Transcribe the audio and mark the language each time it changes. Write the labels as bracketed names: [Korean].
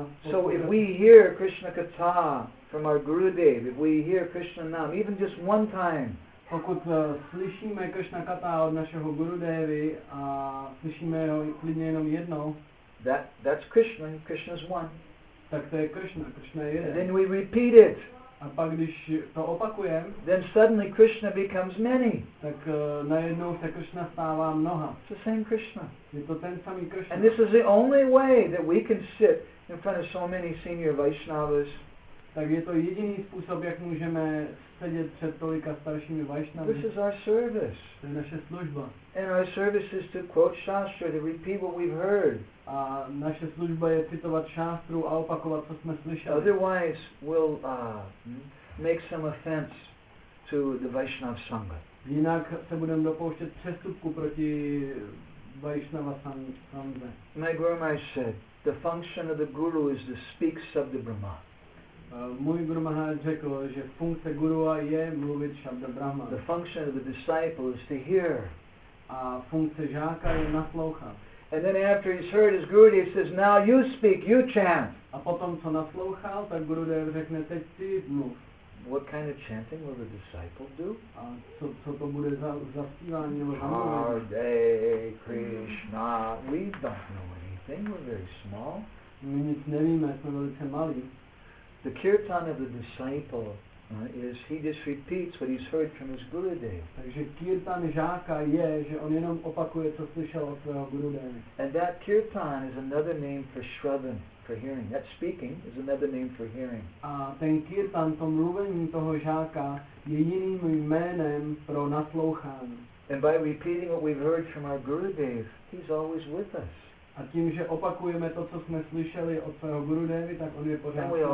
[English] so if we hear Krishna Katha from our Gurudev, if we hear Krishna Nam, even just one time, [Czech] pokud slyšíme Krishna Katha od našeho Gurudevi a slyšíme ho klidně jenom jednou, [English] that's Krishna, Krishna's one. [Czech] Tak to je Krishna, Krishna je jeden. [English] Then we repeat it. [Czech] A pak když to opakujem, [English] then suddenly Krishna becomes many. [Czech] Tak najednou se Krishna stává mnoha. [English] It's the same Krishna. [Czech] Je to ten samý Krishna. [English] And this is the only way that we can sit in front of so many senior Vaishnavas. [Czech] Tak je to jediný způsob, jak můžeme sedět před tolika staršími Vaishnavami. [English] This is our service. [Czech] To je naše služba. [English] And our service is to quote Shastra, to repeat what we've heard. [Czech] A naše služba je citovat Shastru a opakovat, co jsme slyšeli. [English] Otherwise, we'll make some offense to the Vaishnava Sangha. [Czech] Jinak se budeme dopouštět přestupku proti Vaishnava Sangha. [English] My Guru Maharaj said, the function of the Guru is to speak Sabda Brahma. [Czech] Můj Guru Maharaj řekl, že funkce gurua je mluvit Shabda Brahma. [English] The function of the disciple is to hear. [Czech] A funkce žáka je naslouchat. [English] And then after he's heard his Gurudev, he says, now you speak, you chant. [Czech] A potom, co naslouchal, tak Gurudev řekne, teď ty mluv. [English] What kind of chanting will the disciple do? [Czech] Co to bude za zpívání? [English] Hare Krishna. We don't know anything. We're very small. [Czech] My nic nevíme, jsme velice malí. [English] The kirtan of the disciple is he just repeats what he's heard from his Gurudev. [Czech] Takže kirtan žáka je, že on jenom opakuje, co slyšel od svého Gurudeva. [English] And that kirtan is another name for shravan, for hearing. That speaking is another name for hearing. [Czech] A ten kirtan, to mluvení toho žáka, je jiným jménem pro naslouchání. [English] And by repeating what we've heard from our Gurudev, he's always with us. [Czech] A tím, že opakujeme to, co jsme slyšeli od svého Gurudevy, tak on je pořád.